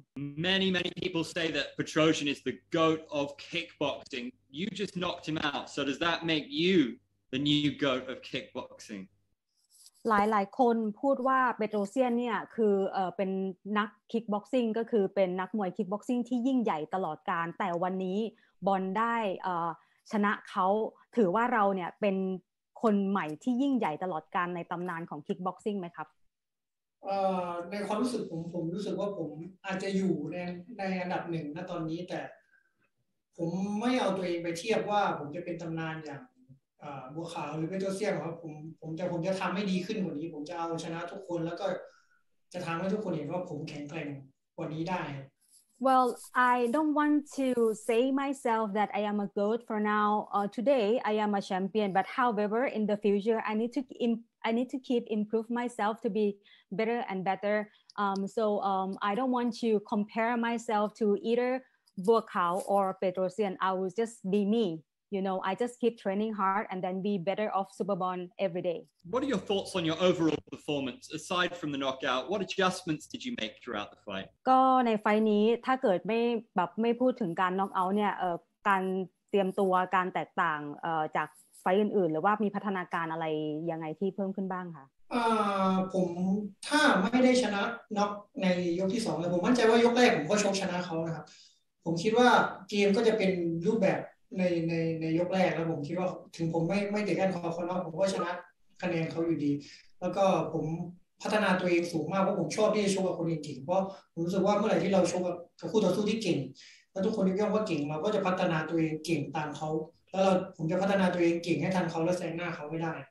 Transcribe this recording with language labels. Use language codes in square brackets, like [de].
[en] Many, many people say that Petrosian is the goat of kickboxing. You just knocked him out. So does that make you the new goat of kickboxing? [th] หลายหลายคนพูดว่าเปโตรเซียนเนี่ยคือเป็นนักคิกบ็อกซิ่งก็คือเป็นนักมวยคิกบ็อกซิ่งที่ยิ่งใหญ่ตลอดกาลแต่วันนี้บอลได้ชนะเขาถือว่าเราเนี่ยเป็นคนใหม่ที่ยิ่งใหญ่ตลอดกาลในตำนานของคิกบ็อกซิ่งไหมครับ ในความรู้สึกผมรู้สึกว่าผมอาจจะอยู่ในอันดับหนึ่งณตอนนี้แต่ผมไม่เอาตัวเองไปเทียบว่าผมจะเป็นตำนานอย่างบัวขาวหรือเปโตรเซียนครับผมจะทำให้ดีขึ้นกว่านี้ผมจะเอาชนะทุกคนแล้วก็จะทำให้ทุกคนเห็นว่าผมแข็งแกร่งกว่านี้ได้ [en] Well, I don't want to say myself that I am a goat for now. Today, I am a champion. But however, in the future, I need to keep improve myself to be better and better. I don't want to compare myself to either Bua Khao or Petrosian. I will just be me. You know, I just keep training hard and then be better off Superbon every day. What are your thoughts on your overall performance aside from the knockout? What adjustments did you make throughout the fight? [th] ก็ในไฟนี้ถ้าเกิดไม่พูดถึงการน็อกเอาท์เนี่ยการเตรียมตัวการแตกต่างจากไฟอื่นๆหรือว่ามีพัฒนาการอะไรยังไงที่เพิ่มขึ้นบ้างคะ ผมถ้าไม่ได้ชนะน็อกในยกที่2แล้วผมมั่นใจว่ายกแรกผมก็ชกชนะเขานะครับผมคิดว่าเกมก็จะเป็นรูปแบบในยกแรกแล้วผมคิดว่าถึงผมไม่ติดกันคอเขาเนาะผมก็ชนะคะแนนเขาอยู่ดีแล้วก็ผมพัฒนาตัวเองสูงมากเพราะผมชอบที่จะชกกับคนเก่งเพราะผมรู้สึกว่าเมื่อไหร่ที่เราชกกับคู่ต่อสู้ที่เก่งแล้วทุกคนยกย่องว่าเก่งเราก็จะพัฒนาตัวเองเก่งตามเขาแล้วผมจะพัฒนาตัวเองเก่งให้ทันเขาและแซงหน้าเขาไม่ได